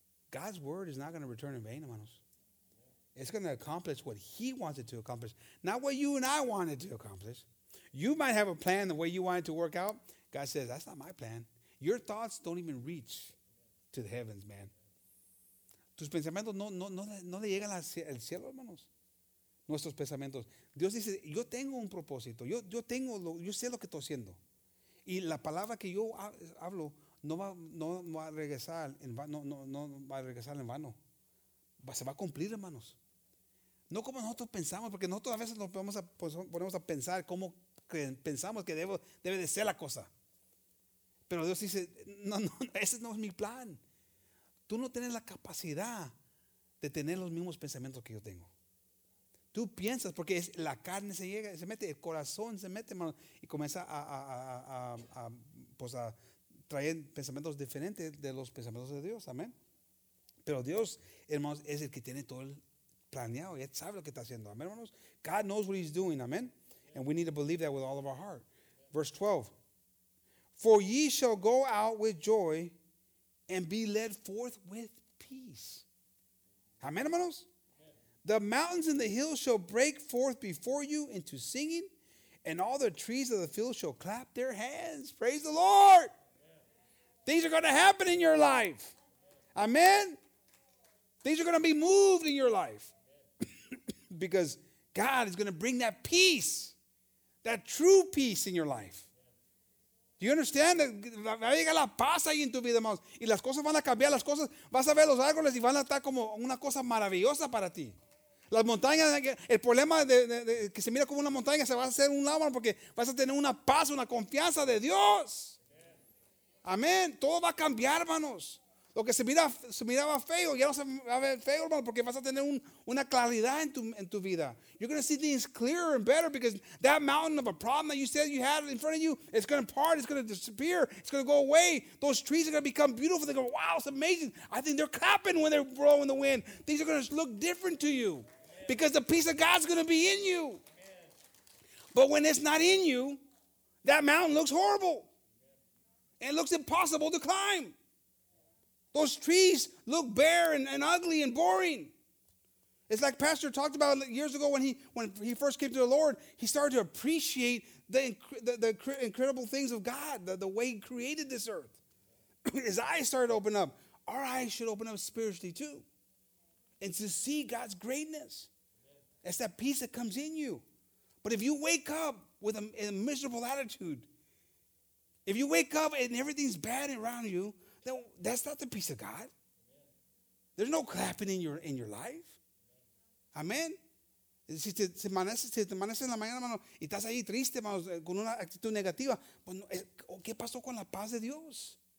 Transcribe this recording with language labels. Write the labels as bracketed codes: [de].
[en] God's word is not going to return in vain, hermanos. It's going to accomplish what he wants it to accomplish, not what you and I wanted to accomplish. You might have a plan the way you want it to work out. God says, that's not my plan. Your thoughts don't even reach to the heavens, man. [es] Tus pensamientos no le llegan al cielo, hermanos. Nuestros pensamientos. Dios dice, yo tengo un propósito. Yo sé lo que estoy haciendo. Y la palabra que yo hablo no va a regresar en vano. Se va a cumplir, hermanos. No como nosotros pensamos, porque nosotros a veces nos ponemos a pensar cómo pensamos que debe de ser la cosa. Pero Dios dice, no, ese no es mi plan. Tú no tienes la capacidad de tener los mismos pensamientos que yo tengo. Tú piensas, porque es, la carne se llega, se mete, el corazón se mete, hermano, y comienza a traer pensamientos diferentes de los pensamientos de Dios, amén. Pero Dios, hermanos, es el que tiene todo el planeado, y él sabe lo que está haciendo, amén, hermanos. [en] God knows what he's doing, amén. And we need to believe that with all of our heart. Verse 12. For ye shall go out with joy and be led forth with peace. Amén, hermanos. The mountains and the hills shall break forth before you into singing, and all the trees of the field shall clap their hands. Praise the Lord. Amen. Things are going to happen in your life. Amen. Things are going to be moved in your life. Because God is going to bring that peace, that true peace in your life. Do you understand? [es] Va a llegar la paz ahí en tu vida, hermanos. Y las cosas van a cambiar, las cosas. Vas a ver los árboles y van a estar como una cosa maravillosa para ti. Las montañas, el problema de que se mira como una montaña se va a hacer un lago porque vas a tener una paz, una confianza de Dios. Amén. Todo va a cambiar, hermanos. Lo que se miraba feo, ya no se va a ver feo, hermano, porque vas a tener una claridad en tu vida. [en] You're going to see things clearer and better because that mountain of a problem that you said you had in front of you, it's going to part, it's going to disappear, it's going to go away. Those trees are going to become beautiful. They go, wow, it's amazing. I think they're clapping when they're blowing the wind. Things are going to look different to you because the peace of God is going to be in you. But when it's not in you, that mountain looks horrible. It looks impossible to climb. Those trees look bare and ugly and boring. It's like Pastor talked about years ago when he first came to the Lord. He started to appreciate the incredible things of God, the way he created this earth. His eyes started to open up. Our eyes should open up spiritually too. And to see God's greatness. It's that peace that comes in you. But if you wake up with a miserable attitude, if you wake up and everything's bad around you, that's not the peace of God. There's no clapping in your life. Amén. [es] Si te amaneces en la mañana, hermano, y estás ahí triste, hermano, con una actitud negativa, pues, ¿qué pasó con la paz de Dios?